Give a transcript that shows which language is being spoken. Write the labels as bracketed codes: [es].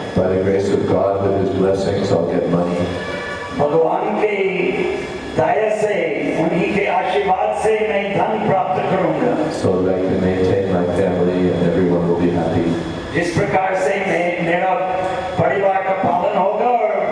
[en] By the grace of God with His blessings, I'll get money. [hi] भगवान के दया से, उन्हीं के आशीर्वाद से मैं धन प्राप्त करूंगा। [en] So that I can maintain my family and everyone will be happy. [hi] जिस प्रकार से मेरा परिवार का पालन होगा और